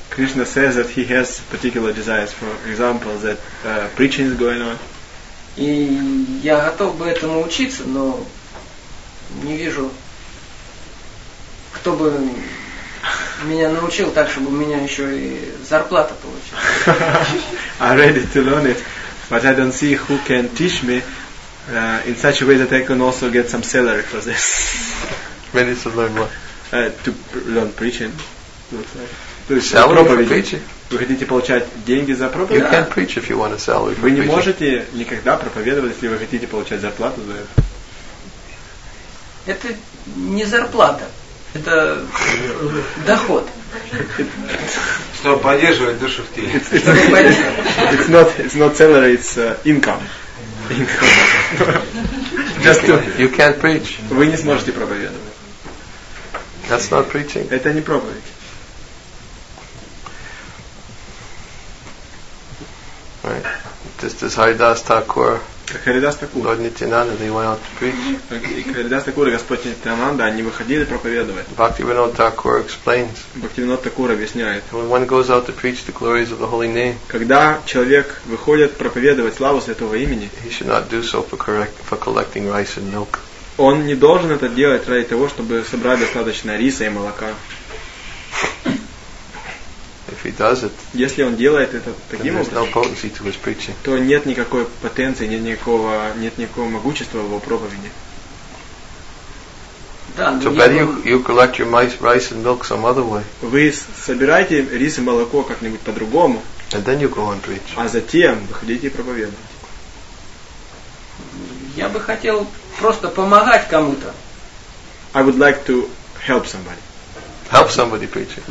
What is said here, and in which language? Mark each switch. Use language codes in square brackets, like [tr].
[en] Krishna says that he has particular desires. For example, that preaching is going on. [ru] И я готов бы этому учиться, но не вижу, кто бы меня научил так, чтобы у меня еще и зарплата получилась. [en] I'm ready to learn it, but I don't see who can teach me in such a way that I can also get some salary for this. Ready to learn what? To learn preaching. Salary for preaching? [ru] Вы хотите получать деньги за проповедь? [en] You can preach if you want a salary for preaching. [ru] Вы не можете никогда проповедовать, если вы хотите получать зарплату за это. Это не зарплата, это доход. Чтобы поддерживать душу в теле. [en] It's not salary, it's income. Just you can't preach. [ru] Вы не сможете проповедовать. [en] That's not preaching. [ru] Это не проповедь. [en] Right. Just as Haridas Thakur, Lord Nityananda, they went out to preach. [ru] Haridas Thakur, Господь Нитянанда, они выходили проповедовать. [en] Bhaktivinoda Thakur explains. [ru] Bhaktivinoda Thakur объясняет. [en] When one goes out to preach the glories of the holy name, [ru] когда человек выходит проповедовать славу святого имени, [en] he should not do so for collecting rice and milk. [ru] Он не должен это делать ради того, чтобы собрать достаточно риса и молока. [en] he does it, [ru] если он делает это таким образом, no, то нет никакой потенции, нет никакого, нет никакого могущества в его проповеди. [en] So better you collect your rice and milk some other way. [ru] Вы собираете рис и молоко как-нибудь по-другому. [en] And then you go and preach. [ru] А затем выходите и проповедуйте. Я бы хотел просто помогать кому-то. [en] I would like to help somebody. Help somebody preach.